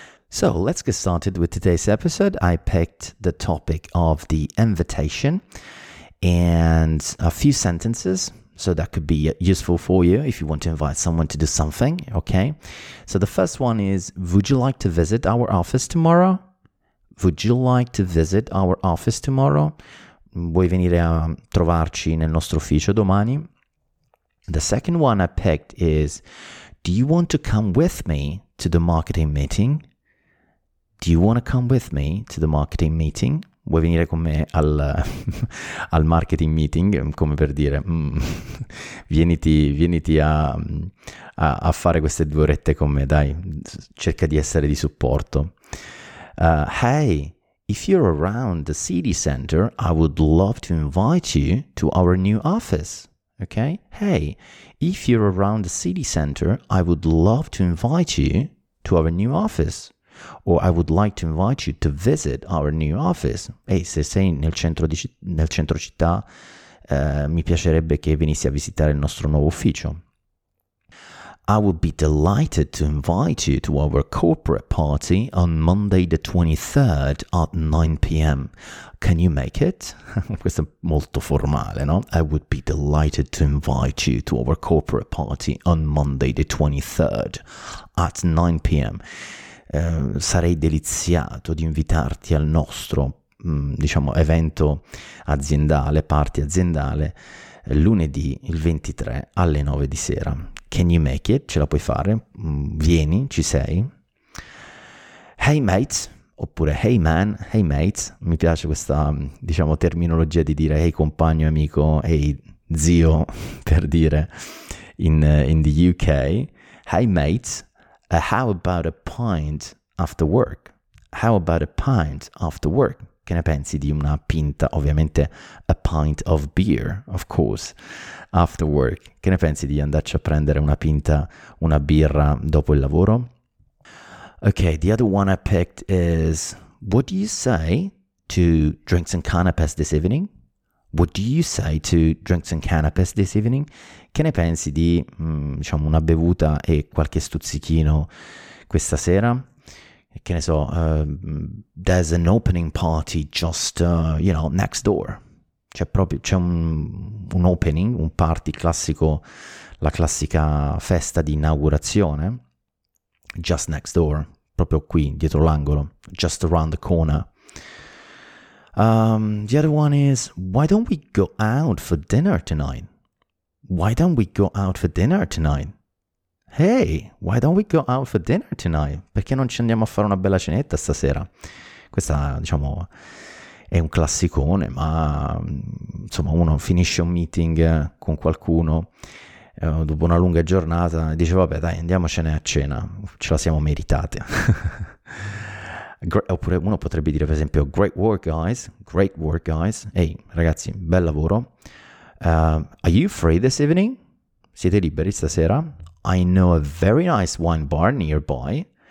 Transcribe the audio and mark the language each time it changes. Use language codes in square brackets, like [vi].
[en] So let's get started with today's episode. I picked the topic of the invitation and a few sentences. So that could be useful for you if you want to invite someone to do something, okay? So the first one is, would you like to visit our office tomorrow? Would you like to visit our office tomorrow? [it] Vuoi venire a trovarci nel nostro ufficio domani? [en] The second one I picked is, do you want to come with me to the marketing meeting? Do you want to come with me to the marketing meeting? [it] Vuoi venire con me al marketing meeting? Come per dire, vieniti a fare queste due orette con me, dai, cerca di essere di supporto. [en] Hey, if you're around the city center, I would love to invite you to our new office. Okay? Hey, if you're around the city center, I would love to invite you to our new office. Or I would like to invite you to visit our new office. [it] Hey, se sei nel centro città, mi piacerebbe che venissi a visitare il nostro nuovo ufficio. [en] I would be delighted to invite you to our corporate party on Monday the 23rd at 9 p.m. Can you make it? [it] Questo è molto formale, no? [en] I would be delighted to invite you to our corporate party on Monday the 23rd at 9 p.m. [it] Sarei deliziato di invitarti al nostro, diciamo, evento aziendale, party aziendale, lunedì il 23 alle 9 di sera. [en] Can you make it? [it] Ce la puoi fare? Vieni, ci sei? [en] Hey mates, [it] oppure [en] hey man, hey mates, [it] mi piace questa, diciamo, terminologia di dire hey compagno, amico, hey zio, per dire [en] in the UK. Hey mates, how about a pint after work? How about a pint after work? [it] Che ne pensi di una pinta, ovviamente [en] a pint of beer, of course, after work? [it] Che ne pensi di andarci a prendere una pinta, una birra dopo il lavoro? [en] Okay, the other one I picked is, what do you say to drinks and canapes this evening? What do you say to drinks and canapes this evening? [it] Che ne pensi di, diciamo, una bevuta e qualche stuzzichino questa sera? Che ne so, [en] there's an opening party just, you know, next door. [it] C'è proprio, c'è un opening, un party classico, la classica festa di inaugurazione. [en] Just next door, [it] proprio qui, dietro l'angolo. [en] Just around the corner. The other one is, why don't we go out for dinner tonight? Why don't we go out for dinner tonight? Hey, why don't we go out for dinner tonight? [it] Perché non ci andiamo a fare una bella cenetta stasera? Questa, diciamo, è un classicone, ma insomma, uno finisce un meeting con qualcuno dopo una lunga giornata e dice, vabbè, dai, andiamocene a cena, ce la siamo meritate. Oppure uno potrebbe dire, per esempio, [en] great work, guys, hey, [it] ragazzi, bel lavoro. [en] Are you free this evening? [it] Siete liberi stasera? [en] I know a very nice wine bar nearby.